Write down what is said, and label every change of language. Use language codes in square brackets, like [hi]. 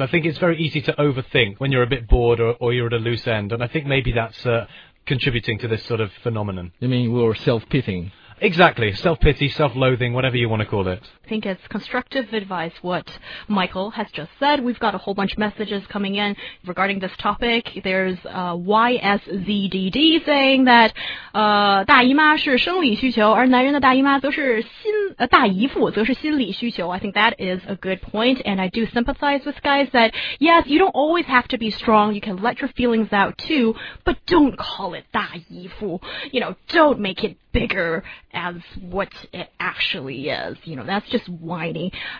[en] I think it's very easy to overthink when you're a bit bored or you're at a loose end, and I think maybe that's contributing to this sort of phenomenon. You mean we're self-pitying? Exactly. Self-pity, self-loathing, whatever you want to call it. I think it's constructive advice what Michael has just said. We've got a whole bunch of messages coming in regarding this topic. There's YSZDD saying that [zh] 大姨妈是生理需求,而男人的大姨妈则是心理需求. [en] I think that is a good point, and I do sympathize with guys that, yes, you don't always have to be strong. You can let your feelings out too, but don't call it 大姨夫. You know, don't make it bigger as what it actually is. You know, that's just whiny.